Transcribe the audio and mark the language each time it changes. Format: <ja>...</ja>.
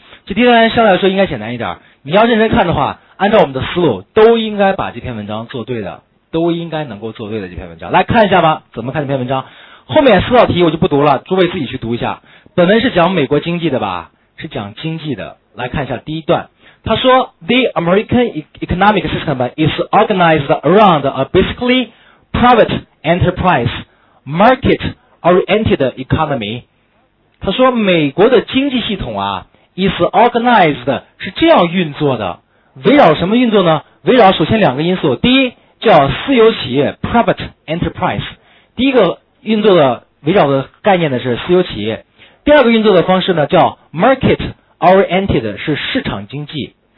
<zh>这第一单相对来说应该简单一点。你要认真看的话，按照我们的思路，都应该把这篇文章做对的，都应该能够做对的这篇文章。来看一下吧，怎么看这篇文章？后面四道题我就不读了，诸位自己去读一下。本文是讲美国经济的吧？是讲经济的。来看一下第一段。他说</zh> <en>The American economic system is organized around a basically private enterprise market oriented economy.</en> <zh>他说美国的经济系统啊</zh> <en>is organized</en> <zh>是这样运作的，围绕什么运作呢？围绕首先两个因素，第一叫私有企业 private enterprise， 第一个运作的围绕的概念呢是私有企业，第二个运作的方式呢叫 marketoriented 是市场经济。</zh>